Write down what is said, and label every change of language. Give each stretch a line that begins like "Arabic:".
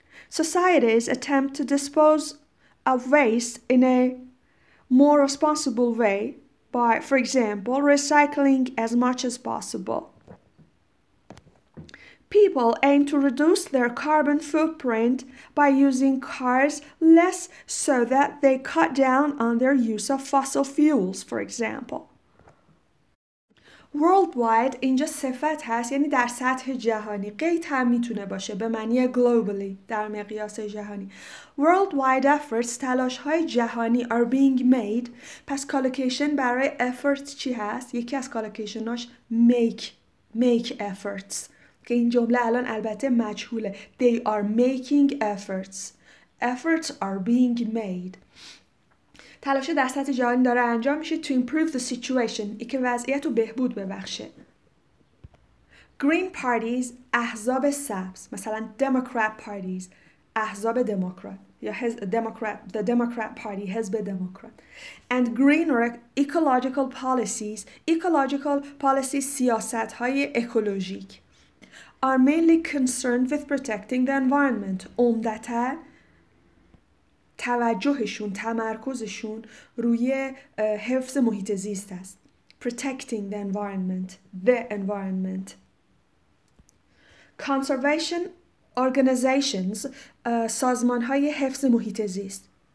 English: Societies attempt to dispose of waste in a more responsible way by, for example, recycling as much as possible. People aim to reduce their carbon footprint by using cars less so that they cut down on their use of fossil fuels, for example.
Persian: Worldwide اینجا صفت هست، یعنی در سطح جهانی. قید هم میتونه باشه به معنی globally در مقیاس جهانی.
English: Worldwide efforts،
Persian: تلاش های جهانی
English: are being made.
Persian: پس collocation برای efforts چی هست؟ یکی از collocationاش
English: make efforts،
Persian: که این جمله الان البته مجهوله.
English: They are making efforts. Efforts are being made.
Persian: تلاش در سطح جهانی داره انجام میشه
English: to improve the situation،
Persian: ای که وضعیت رو بهبود ببخشه.
English: Green parties،
Persian: احزاب سبز، مثلا
English: Democrat parties،
Persian: احزاب دموکرات، یا
English: the Democrat party،
Persian: حزب دموکرات.
English: And green or ecological policies، ecological policies
Persian: سیاست های اکولوژیک.
English: Are mainly concerned with protecting the environment،
Persian: عمدتا توجهشون، تمرکزشون روی حفظ محیط زیست است.
English: Protecting the environment. The environment. Conservation organizations,
Persian: سازمان‌های حفظ محیط زیست.